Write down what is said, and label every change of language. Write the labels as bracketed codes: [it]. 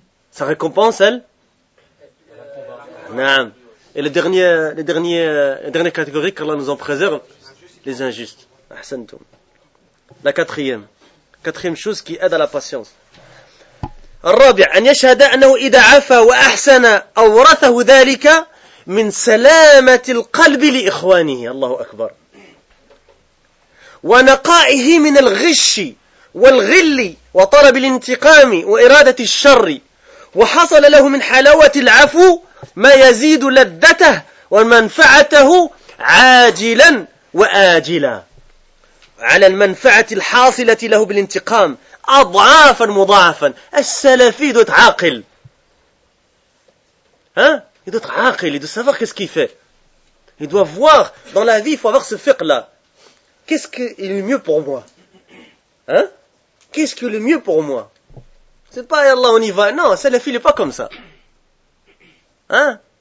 [fr] Sa récompense, elle? Non. Et la dernière catégorie qu'Allah nous en préserve? Les injustes. Ahsantum. La quatrième. Quatrième chose qui aide à la patience. [ar] الرابع أن يشهد أنه إذا عفا وأحسن أورثه ذلك من سلامة القلب لإخوانه الله أكبر ونقائه من الغش والغل وطلب الانتقام وإرادة الشر وحصل له من حلاوة العفو ما يزيد لذته ومنفعته عاجلا وآجلا على المنفعة الحاصلة له بالانتقام أضعافا مضاعفا. السلفي دوت عاقل. [fr] Il doit être عاقل. Il doit savoir qu'est-ce qu'il fait. Il doit voir dans la vie, il faut avoir ce fiqh là. Qu'est-ce qui est le mieux pour moi? Hein? Qu'est-ce qui est le mieux pour moi? C'est pas Allah, on y va. Non, Salafi, il n'est pas comme ça. Hein?